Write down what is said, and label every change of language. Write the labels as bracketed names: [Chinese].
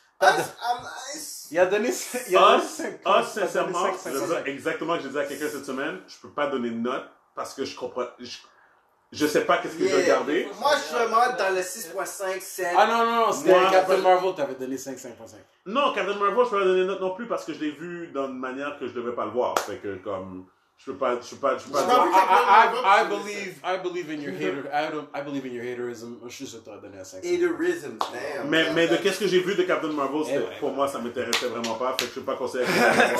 [French] Us, sincèrement, c'est exactement ce que je disais à quelqu'un cette semaine. Je peux pas donner de note parce que je comprends. Je sais pas qu'est-ce que je vais garder. Moi, je suis vraiment dans le 6.5, 7. Ah non, c'était Captain Marvel, t'avais donné 5.5. Non, Captain Marvel, je peux pas donner une note non plus parce que je l'ai vu d'une manière que je devais pas le voir. Fait que, comme, [English] I believe in your haterism. [French] Je suis sûr que t'aurais donné un 5. Haterism, damn. Mais de qu'est-ce que j'ai vu de Captain Marvel, c'était, pour moi, ça m'intéressait vraiment pas. Fait que je peux pas conseiller à quelqu'un.